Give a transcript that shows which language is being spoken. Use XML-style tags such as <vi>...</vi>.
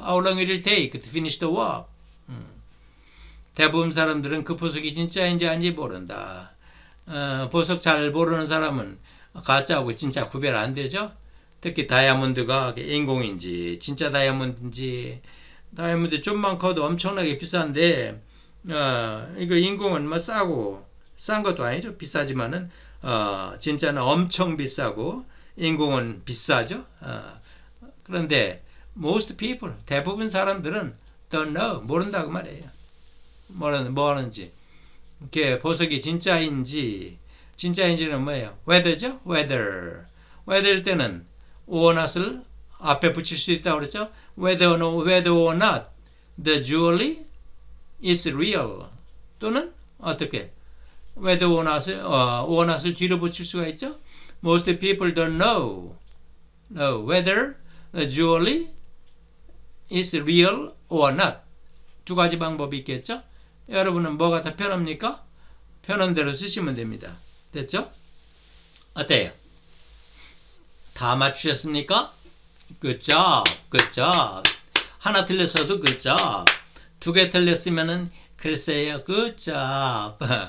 <en>How long will it take to finish the work?</en> <ko>대부분 사람들은 그 보석이 진짜인지 아닌지 모른다. 보석 잘 모르는 사람은 가짜하고 진짜 구별 안 되죠? 특히 다이아몬드가 인공인지, 진짜 다이아몬드인지, 다이아몬드 좀만 커도 엄청나게 비싼데, 이거 인공은 뭐 싸고, 싼 것도 아니죠? 비싸지만은, 진짜는 엄청 비싸고, 인공은 비싸죠? 그런데,</ko> <en>Most people,</en> <ko>대부분 사람들은</ko> <en>don't know,</en> <ko>모른다고 말해요. 뭐 하는지. 이렇게 보석이 진짜인지, 진짜인지는 뭐예요? Weather죠? Weather. Weather일 때는 or not을 앞에 붙일 수 있다고 그랬죠?</ko> <en>Whether or, no, whether or not the jewelry is real.</en> <ko>또는 어떻게? Whether or not을, or not을 뒤로 붙일 수가 있죠?</ko> <en>Most people don't know, whether the jewelry is real or not.</en> <ko>두 가지 방법이 있겠죠? 여러분은 뭐가 더 편합니까? 편한 대로 쓰시면 됩니다. 됐죠? 어때요? 다 맞추셨습니까?</ko> <en>Good job, good job.</en> <ko>하나 틀렸어도</ko> <en>good job.</en> <ko>두 개 틀렸으면은 글쎄요,</ko> <en>good job.</en>